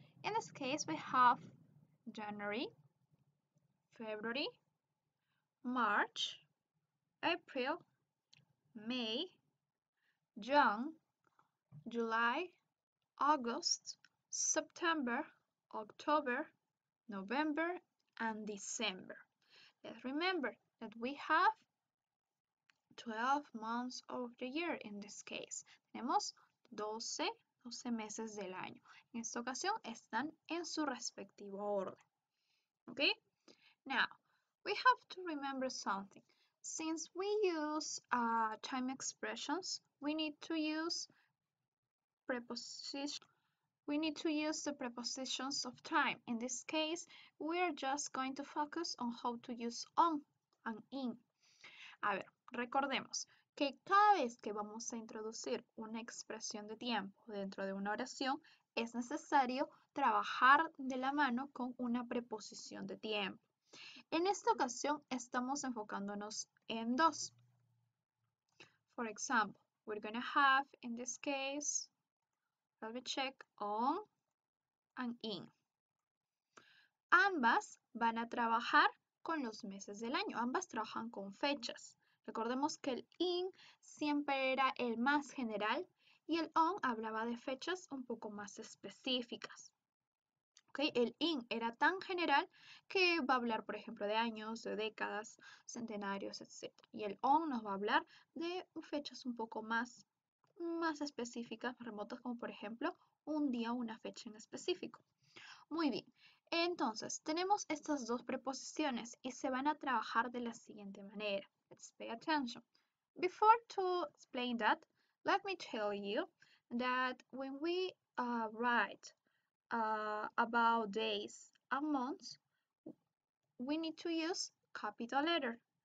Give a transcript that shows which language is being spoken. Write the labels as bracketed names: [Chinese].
[English] In this case, we have January, February, March, April, May, June, July, August, September, October, November, and December. Let's remember that we have 12 months of the year in this case. [Spanish] Tenemos 12 meses del año. En esta ocasión están en su respectivo orden. [English] Okay? Now, we have to remember something. Since we use time expressions, we need to use preposition. We need to use the prepositions of time. In this case, we are just going to focus on how to use on and in. [Spanish] A ver, recordemos que cada vez que vamos a introducir una expresión de tiempo dentro de una oración, es necesario trabajar de la mano con una preposición de tiempo. En esta ocasión, estamos enfocándonos en dos. [English] For example, we're going to have, in this case, let me check on and in. [Spanish] Ambas van a trabajar con los meses del año. Ambas trabajan con fechas. Recordemos que el in siempre era el más general y el on hablaba de fechas un poco más específicas. ¿Okay? El in era tan general que va a hablar, por ejemplo, de años, de décadas, centenarios, etc. Y el on nos va a hablar de fechas un poco más específicas, más remotas, como por ejemplo, un día o una fecha en específico. Muy bien, entonces, tenemos estas dos preposiciones y se van a trabajar de la siguiente manera. [English] Let's pay attention. Before to explain that, let me tell you that when we write about days and months, we need to use capital letter.